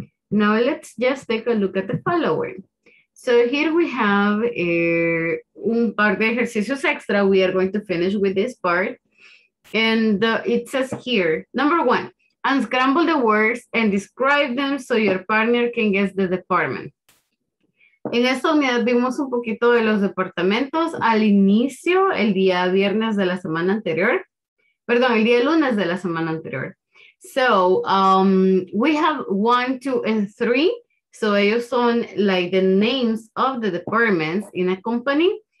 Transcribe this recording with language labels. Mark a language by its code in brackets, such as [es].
[en] Now let's just take a look at the following. So here we have [es] un par de ejercicios extra. [en] We are going to finish with this part. And it says here, number one, unscramble the words and describe them so your partner can guess the department. [es] En esta unidad vimos un poquito de los departamentos al inicio, el día viernes de la semana anterior. Perdón, el día lunes de la semana anterior. [en] So, we have 1, 2, and 3. So, [es] ellos son [en] like the names of the departments in a company.